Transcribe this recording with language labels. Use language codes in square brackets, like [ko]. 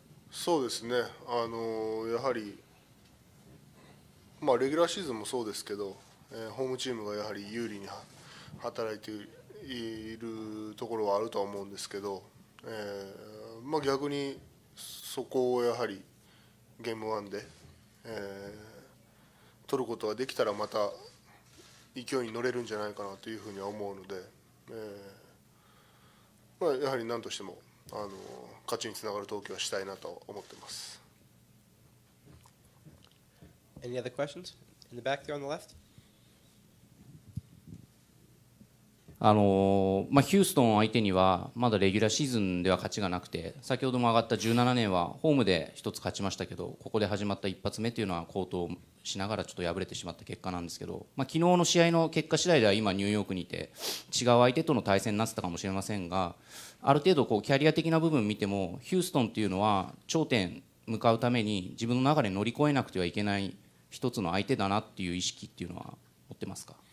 [ja] そうですね、やはり、まあ、レギュラーシーズンもそうですけど、ホームチームがやはり有利に働いているところはあるとは思うんですけど、まあ、逆にそこをやはりゲーム1で、取ることができたらまた勢いに乗れるんじゃないかなというふうには思うので、まあ、やはり何としても勝ちにつながる投球はしたいなと思ってます。 [en] Any other questions? In the back there on the left. [ja] ヒューストン相手にはまだレギュラーシーズンでは勝ちがなくて、先ほども挙がった17年はホームで一つ勝ちましたけど、ここで始まった一発目というのは好投しながらちょっと敗れてしまった結果なんですけど、昨日の試合の結果次第では今ニューヨークにいて違う相手との対戦になってたかもしれませんが、ある程度こうキャリア的な部分を見てもヒューストンというのは頂点向かうために自分の流れ乗り越えなくてはいけない一つの相手だなっていう意識っていうのは持ってますか？